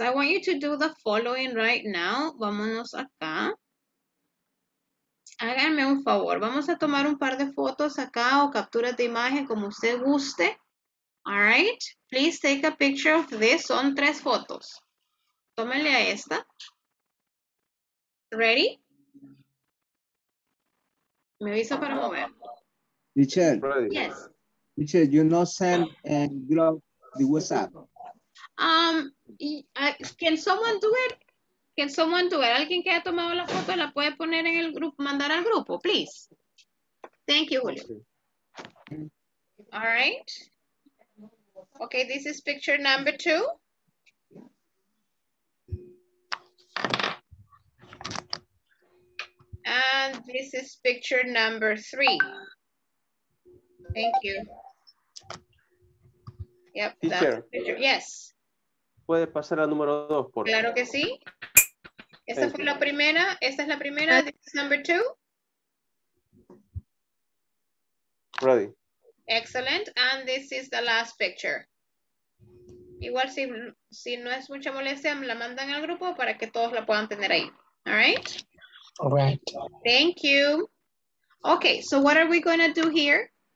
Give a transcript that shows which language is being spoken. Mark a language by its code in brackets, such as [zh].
[en] I want you to do the following right now. [es] Vámonos acá. Háganme un favor. Vamos a tomar un par de fotos acá o capturas de imagen, como usted guste. [en] All right. Please take a picture of this. [es] Son tres fotos. Tómenle a esta. [en] Ready? [es] Me avisa para mover. [en] Richard. Yes. Richard, you know send and drop the WhatsApp. Can someone do it? [es] Alguien que ha tomado la foto la puede poner en el grupo, mandar al grupo, please. [en] Thank you, Julio. All right. Okay, this is picture number two. And this is picture number three. Thank you. Yep, teacher, that's picture. Yes. [es] ¿Puede pasar a número dos, por favor? Claro que sí. Esta fue la primera. Esta es la primera. [en] This is number two. Ready. Excellent. And this is the last picture. [es] Igual si no es mucha molestia, la mandan al grupo para que todos la puedan tener ahí. [en] All right. All right. Thank you. Okay, so what are we going to do here?